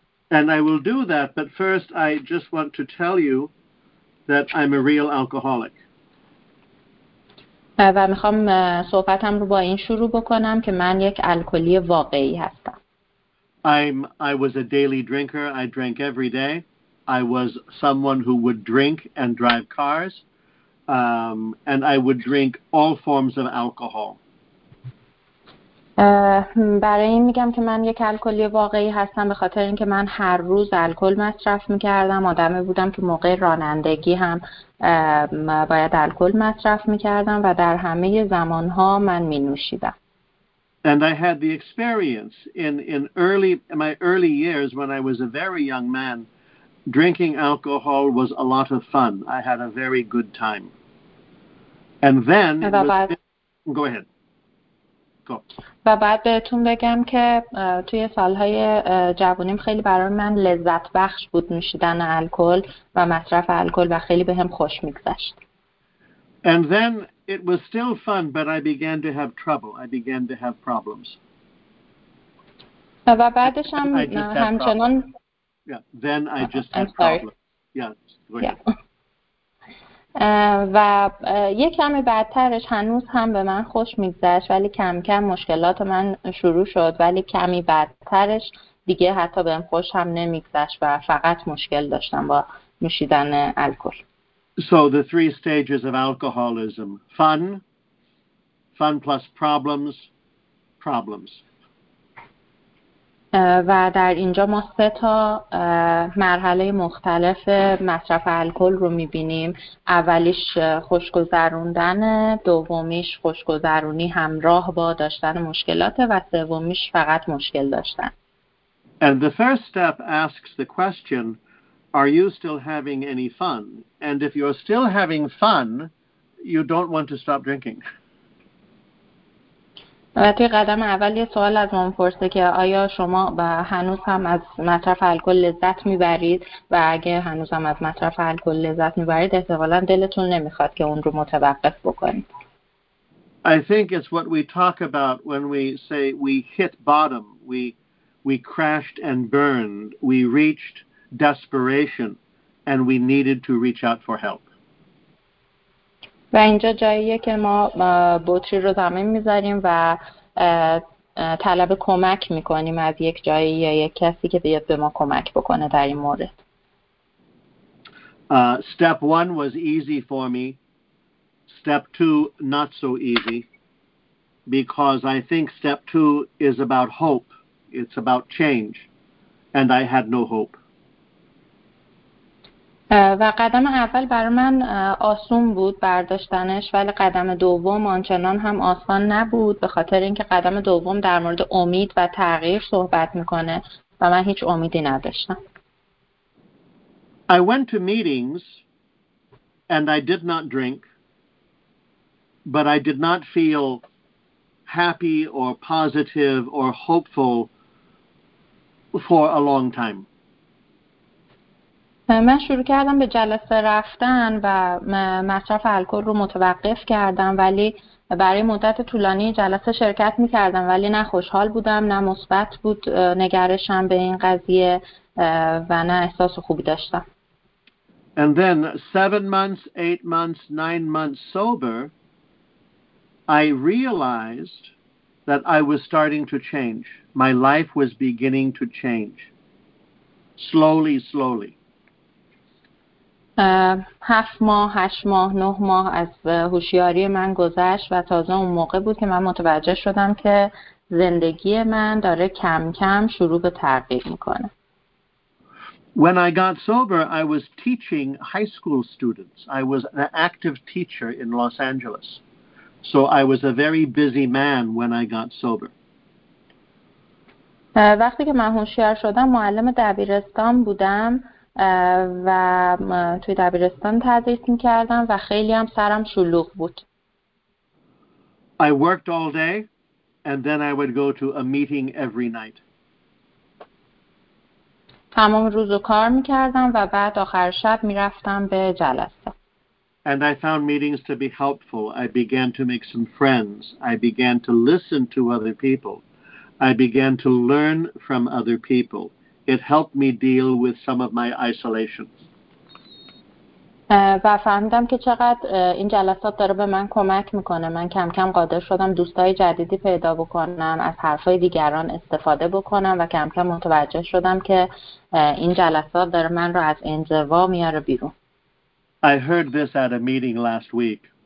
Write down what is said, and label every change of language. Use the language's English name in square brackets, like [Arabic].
[English] And I will do that, but first I just want to tell you that I'm a real alcoholic. [Persian] و میخوام صحبتم رو با این شروع بکنم که من یک الکلی واقعی هستم. [English] I was a daily drinker. I drank every day. I was someone who would drink and drive cars. And I would drink all forms of alcohol. [Persian] برای این میگم که من یک الکلی واقعی هستم به خاطر اینکه من هر روز الکل مصرف میکردم. آدمی بودم که موقع رانندگی هم باید الکل مصرف میکردم و در همه زمانها من مینوشیدم. [English] And I had the experience in my early years when I was a very young man. Drinking alcohol was a lot of fun. I had a very good time. And then go ahead. Go. [Persian] و بعد بهتون بگم که توی سالهای جوانیم خیلی برای من لذت بخش بود نوشیدن الکل و مصرف الکل و خیلی به هم خوش میگذشت. [English] And then it was still fun, but I began to have trouble. I began to have problems. [Persian] و بعدش هم همچنان [English] Yeah, then I just I'm had problems. Yeah, go ahead. [Persian] و یک کمی بدترش هنوز هم به من خوش میگذشت، ولی کم کم مشکلات من شروع شد، ولی کمی بدترش دیگه حتی به من خوش هم نمیگذشت و فقط مشکل داشتم با نوشیدن الکل. [English] So the three stages of alcoholism, fun plus problems. [Persian] و در اینجا ما سه تا مرحله مختلف مصرف الکل رو می‌بینیم. اولیش خوشگذروندن، دومیش خوشگذرونی همراه با داشتن مشکلات و سومیش فقط مشکل داشتن. [English] And the first step asks the question, are you still having any fun? And if you're still having fun, you don't want to stop drinking. [Persian] و توی قدم اول یه سوال از من پرسه که آیا شما هنوز هم از مصرف الکل لذت میبرید و اگه هنوز هم از مصرف الکل لذت میبرید احتمالاً دلتون نمیخواد که اون رو متوقف بکنید. [English] I think it's what we talk about when we say we hit bottom, we crashed and burned, we reached desperation and we needed to reach out for help. [Persian] و اینجا جاییه که ما بطری رو زمین میذاریم و طلب کمک میکنیم از یک جایی یا یک کسی که بیاد به ما کمک بکنه در این مورد. [English] Step one was easy for me. Step two, not so easy. Because I think step two is about hope. It's about change. And I had no hope. [Persian] و قدم اول بر من آسون بود برداشتنش، ولی قدم دوم آنچنان هم آسان نبود، به خاطر اینکه قدم دوم در مورد امید و تغییر صحبت میکنه و من هیچ امیدی نداشتم. [English] I went to meetings and I did not drink, but I did not feel happy or positive or hopeful for a long time. [Persian] من شروع کردم به جلسه رفتن و مصرف الکل رو متوقف کردم، ولی برای مدت طولانی جلسه شرکت می‌کردم، ولی نه خوشحال بودم نه مثبت بود نگرشم به این قضیه و نه احساس خوبی داشتم. [English] And then 7 months, 8 months, 9 months sober, I realized that I was starting to change. My life was beginning to change. Slowly, slowly. [Persian] 7 ماه، 8 ماه، 9 ماه از هوشیاری من گذشت و تازه اون موقع بود که من متوجه شدم که زندگی من داره کم کم شروع به تغییر میکنه. [English] When I got sober, I was teaching high school students. I was an active teacher in Los Angeles. So I was a very busy man when I got sober. [Persian] وقتی که من هوشیار شدم معلم دبیرستان بودم و توی دبیرستان تدریس می‌کردم و خیلی هم سرم شلوغ بود. [English] I worked all day and then I would go to a meeting every night. [Persian] تمام روز رو کار می‌کردم و بعد آخر شب می‌رفتم به جلسه. [English] And I found meetings to be helpful. I began to make some friends. I began to listen to other people. I began to learn from other people. It helped me deal with some of my isolation. [Persian] و فهمیدم که چقدر این جلسات داره به من کمک می‌کنه. من کم کم قادر شدم دوستای جدیدی پیدا بکنم، از حرفای دیگران استفاده بکنم و کم کم متوجه شدم که این جلسات داره من رو از انزوا میاره بیرون. [English] I heard this at a meeting last week.